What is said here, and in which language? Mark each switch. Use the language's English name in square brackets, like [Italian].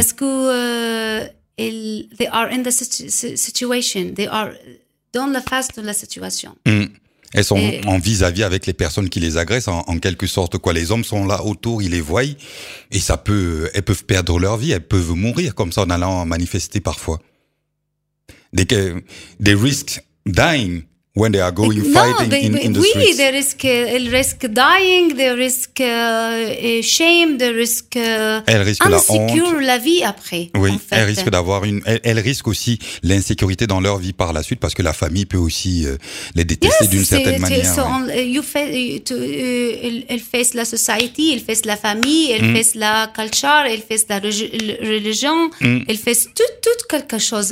[French] Parce que, [English] they are in the situation. They are [French] dans la face de la situation. Elles sont en vis-à-vis avec les personnes qui les agressent, en quelque sorte, quoi. Les hommes sont là autour, ils les voient. Et ça peut, elles peuvent perdre leur vie, elles peuvent mourir comme ça en allant manifester parfois. [English] They risk dying when they are going fighting in the [French] oui, [English] streets. Oui, they risk dying, they risk shame, they risk. [French] Elles risquent la honte. Insécure la vie après. Oui, en fait. Elles risquent d'avoir une. Elles risquent aussi l'insécurité dans leur vie par la suite parce que la famille peut aussi les détester d'une certaine manière. Yes, elles face la société, elles face la famille, elles face la culture, elles face la religion, elles face tout quelque chose.